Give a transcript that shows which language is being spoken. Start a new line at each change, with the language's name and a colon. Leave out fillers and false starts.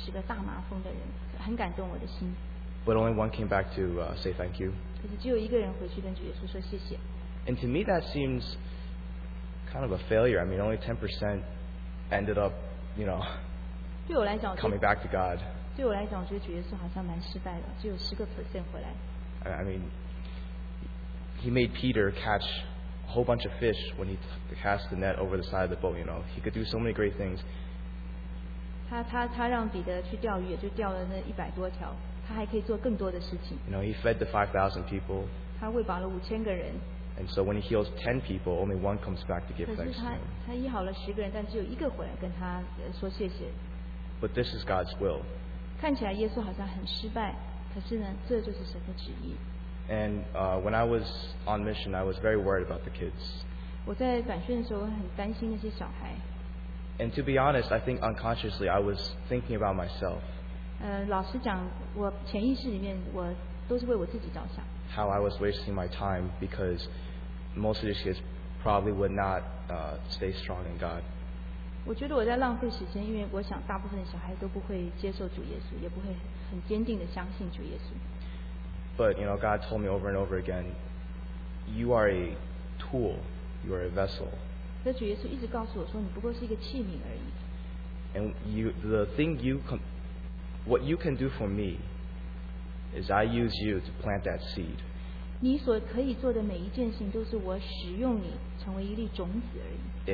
Chinese: 有一个故事就是主耶稣医好十个大麻风的人，很感动我的心。
English: But only one came back to say thank you.
Chinese: 可是只有一个人回去跟主耶稣说谢谢。
English: And to me that seems kind of a failure. I mean, only 10% ended up, you know,
Chinese: 对我来讲,
English: coming back to God.
Chinese: 对我来讲, 我觉得主耶稣好像蛮失败的, 只有10%回来。
English: I mean, he made Peter catch a whole bunch of fish when he cast the net over the side of the boat, you know. He could do so many great things.
Chinese: 他让彼得去钓鱼，也就钓了那100多条。他还可以做更多的事情。
English: You know, he fed the 5,000 people.
Chinese: 他喂饱了5,000个人。
English: And so when he heals 10 people, only one comes back to give thanks to him.
Chinese: 他医好了10个人，但只有一个回来跟他说谢谢。
English: But this is God's will.
Chinese: 看起来耶稣好像很失败，可是呢，这就是神的旨意。
English: And when I was on mission, I was very worried about the kids. And to be honest, I think unconsciously I was thinking about myself.
Chinese: 老实讲,
English: how I was wasting my time because most of these kids probably would not stay strong in God.
Chinese: 我觉得我在浪费时间，因为我想大部分的小孩都不会接受主耶稣，也不会很坚定的相信主耶稣。
English: But you know, God told me over and over again, you are a tool, you are a vessel.
Chinese: 但主耶稣一直告诉我说，你不过是一个器皿而已。
English: And you, the thing you, what you can do for me, is I use you to plant that seed.
Chinese: 你所可以做的每一件事情，都是我使用你成为一粒种子而已。